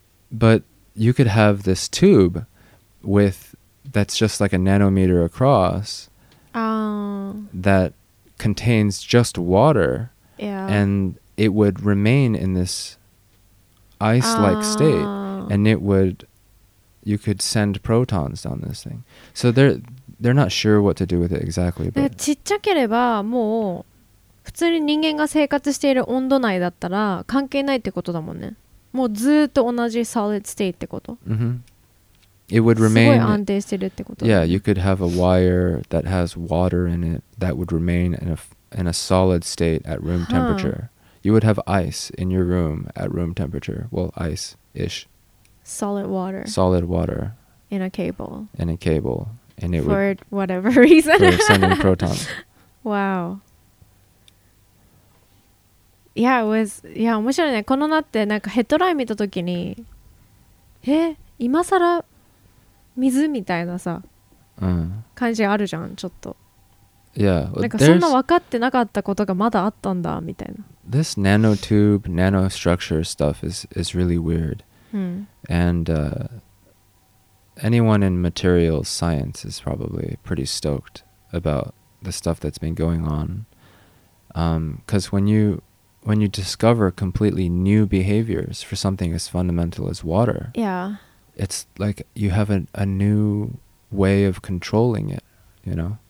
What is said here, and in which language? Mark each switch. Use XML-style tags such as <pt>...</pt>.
<en>but you could have this tube that's just like a nanometer across that contains just water. Yeah. And it would remain in this ice-like state. And you could send protons down this thing. So they're not sure what to do with it exactly.</en> <ja>ちっちゃければもう普通に人間が生活している温度内だったら関係ないってことだもんね。もうずっと同じ</ja> <en>solid state</en> <ja>ってこと。</ja> <en>It would remain</en> <ja>すごい安定してるってこと。</ja> <en>Yeah, you could have a wire that has water in it that would remain in a solid state at room temperature. You would have ice in your room at room temperature. Well, ice-ish. Solid water. Solid water. In a cable. In a cable. And it for would, whatever reason. For sending protons. Wow. Yeah, it was... Yeah,</en> <ja>面白いね。このなってなんかヘッドライン見た時に、え、今更水みたいなさ、感じあるじゃん、ちょっと。</ja> <en>Yeah.</en> <ja>なんかそんな分かってなかったことがまだあったんだ、みたいな。</ja> <en>This nanotube, nanostructure stuff is really weird. And, Anyone in materials science is probably pretty stoked about the stuff that's been going on. 'Cause when you discover completely new behaviors for something as fundamental as water, it's like you have a new way of controlling it, you know?</en>